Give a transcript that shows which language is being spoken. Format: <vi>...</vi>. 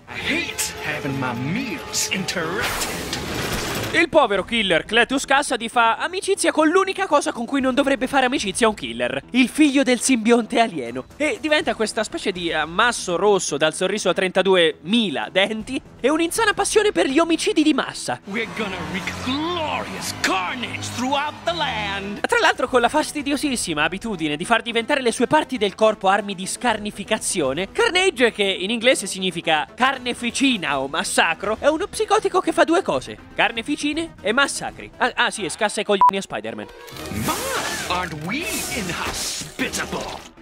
<en>I hate having my meals interrupted.</en> <it>Il povero killer Cletus Cassidy fa amicizia con l'unica cosa con cui non dovrebbe fare amicizia un killer, il figlio del simbionte alieno, e diventa questa specie di ammasso rosso dal sorriso a 32.000 denti e un'insana passione per gli omicidi di massa.</it> <en>We're gonna wreak glorious carnage throughout the land.</en> <it>Tra l'altro con la fastidiosissima abitudine di far diventare le sue parti del corpo armi di scarnificazione, Carnage, che in inglese significa carneficina o massacro, è uno psicotico che fa due cose, carneficina cine e massacri. Ah sì, scassa i coglioni a Spider-Man. Ma,</it> <en>aren't we inhospitable?</en>